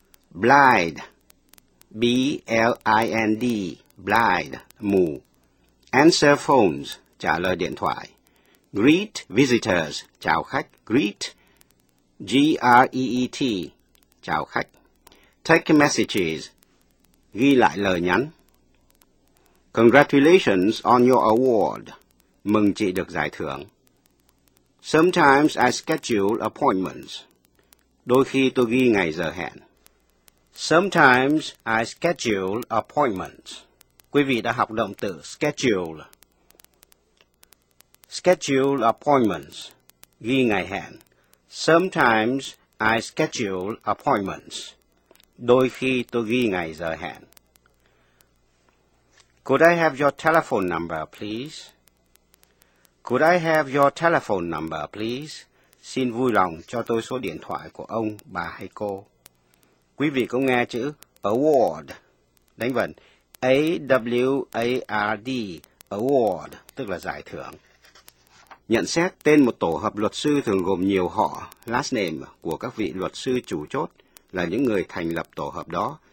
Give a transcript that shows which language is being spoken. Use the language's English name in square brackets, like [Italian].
[English] Blind, B-L-I-N-D, blind, [Vietnamese] mù. [English] Answer phones, [Vietnamese] trả lời điện thoại. [English] Greet visitors, [Vietnamese] chào khách. [English] Greet, G-R-E-E-T, [Vietnamese] chào khách. [English] Take messages, [Vietnamese] ghi lại lời nhắn. [English] Congratulations on your award. [Vietnamese] Mừng chị được giải thưởng. [English] Sometimes I schedule appointments. [Vietnamese] Đôi khi tôi ghi ngày giờ hẹn. [English] Sometimes I schedule appointments. [Vietnamese] Quý vị đã học động từ schedule. [English] Schedule appointments. [Vietnamese] Ghi ngày hẹn. [English] Sometimes I schedule appointments. [Vietnamese] Đôi khi tôi ghi ngày giờ hẹn. [English] Could I have your telephone number, please? Could I have your telephone number, please? [Vietnamese] Xin vui lòng cho tôi số điện thoại của ông, bà hay cô. Quý vị có nghe chữ award, đánh vần A-W-A-R-D, award, tức là giải thưởng. Nhận xét tên một tổ hợp luật sư thường gồm nhiều họ, last name của các vị luật sư chủ chốt là những người thành lập tổ hợp đó.